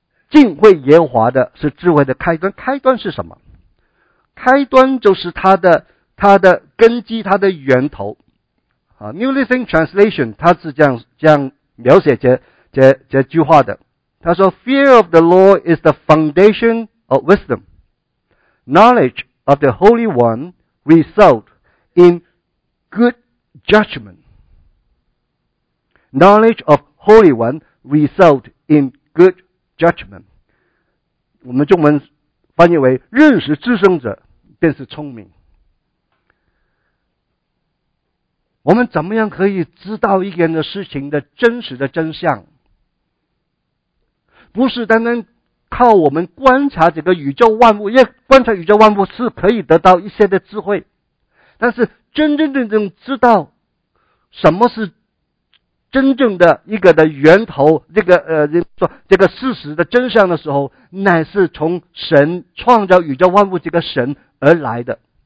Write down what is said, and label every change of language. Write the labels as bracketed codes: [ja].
[zh] 敬畏耶和华的是智慧的开端。开端是什么？开端就是它的根基，它的源头。啊 ，New Living Translation 它是这样描写这句话的。 [en] 他说 ：“Fear of the Lord is the foundation of wisdom. Knowledge of the Holy One results in good judgment. Knowledge of Holy One results in good judgment.” [zh] 我们中文翻译为认识至圣者便是聪明。我们怎么样可以知道一个人的事情的真实的真相？不是单单靠我们观察这个宇宙万物，因为观察宇宙万物是可以得到一些的智慧，但是真真正正知道什么是真正的一个的源头，这个事实的真相的时候，乃是从神创造宇宙万物这个神而来的。